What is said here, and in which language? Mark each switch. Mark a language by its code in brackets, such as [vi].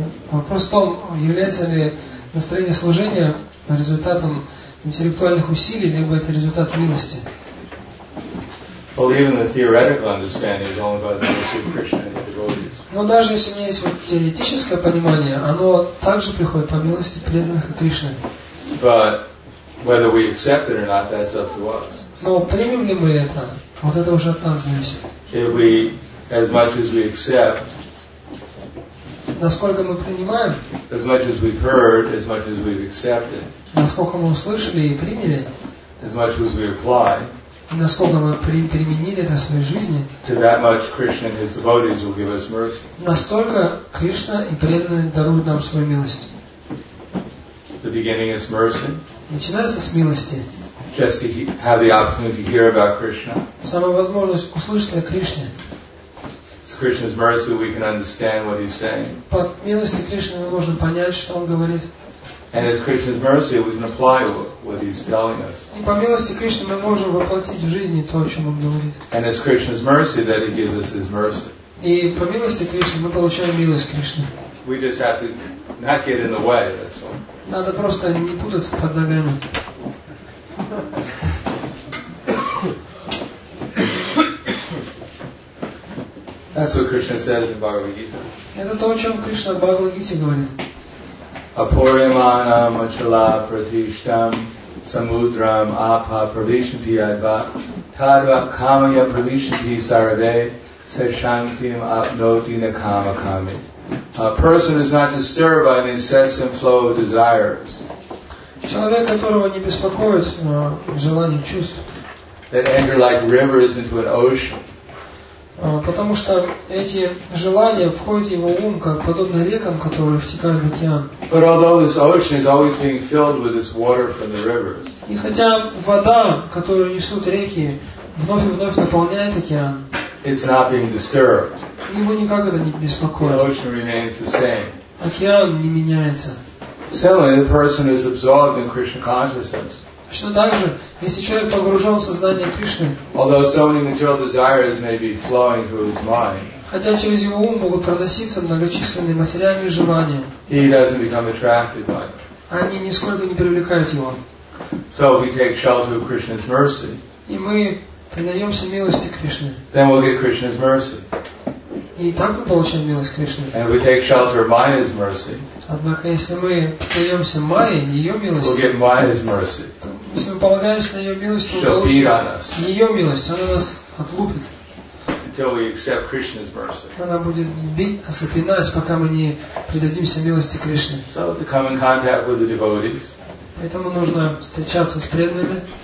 [ru] Вопрос в том, является ли настроение служения результатом интеллектуальных усилий, либо это результат милости. Но даже если у меня есть теоретическое понимание, оно также приходит по милости преданных и Кришны. [en] But whether we accept it or not, that's up to us. [ru] Но примем ли мы это? Вот это уже от нас зависит. [en] If we, as much as we accept, [ru] насколько мы принимаем, [en] as much as we've heard, as much as we've accepted, [ru] насколько мы услышали и приняли, [en] as much as we apply, [ru] насколько мы применили это в своей жизни, [en] to that much Krishna and his devotees will give us mercy. [ru] Настолько Кришна и преданные даруют нам свою милость. [en] The beginning is mercy. [ru] Начинается с милости. [en] Just to have the opportunity to hear about Krishna. [ru] Сама возможность услышать о Кришне. [en] It's Krishna's mercy we can understand what he's saying. [ru] По милости Кришны мы можем понять, что он говорит. [en] And as Krishna's mercy, we can apply what he's telling us. [ru] И по милости Кришны мы можем воплотить в жизни то, о чем он говорит. [en] And as Krishna's mercy, that he gives us his mercy. [ru] И по милости Кришны мы получаем милость Кришны. [en] We just have to not get in the way. That's all. [ru] Надо просто не путаться под ногами. [en] That's what Krishna says in Bhagavad Gita. [ru] Это то, о чем Кришна в Бхагавад Гите говорит. [sa] Apuryamana machala pratishtam samudram apa pravishanti adva tadva kamaya pravishanti sarade se shantim apnoti na kamakami. [en] A person is not disturbed by the incessant flow of desires. [ru] Человек, которого не беспокоит желание чувств. [en] That enter like rivers into an ocean. [ru] Потому что эти желания входят в его ум, как подобно рекам, которые втекают в океан. [en] But although this ocean is always being filled with this water from the rivers. [ru] И хотя вода, которую несут реки, вновь и вновь наполняет океан. [en] It's not being disturbed. [ru] Его никак это не беспокоит. [en] The ocean remains the same. [ru] Океан не меняется. [en] Similarly, the person is absorbed in Krishna consciousness. [ru] Точно так же, если человек погружен в сознание Кришны, [en] although so many material desires may be flowing through his mind, [ru] хотя через его ум могут проноситься многочисленные материальные желания, [en] he doesn't become attracted by them. [ru] Они нисколько не привлекают его. [en] So we take shelter of Krishna's mercy. [ru] И мы предаемся милости Кришны. [en] Then we'll get Krishna's mercy. [ru] И так мы получаем милость Кришны. [en] And we take shelter of Maya's mercy. [ru] Однако если мы предаемся Майе, ее милости. [en] We'll get Maya's mercy. [ru] Если мы полагаемся на ее милость, [en] she'll [ru] мы получим ее милость. Она нас отлупит. [en] Until we accept Krishna's mercy. [ru] Она будет бить нас и пинать, пока мы не предадимся милости Кришны. [en] So to come in contact with the devotees. [ru] Поэтому нужно встречаться с преданными.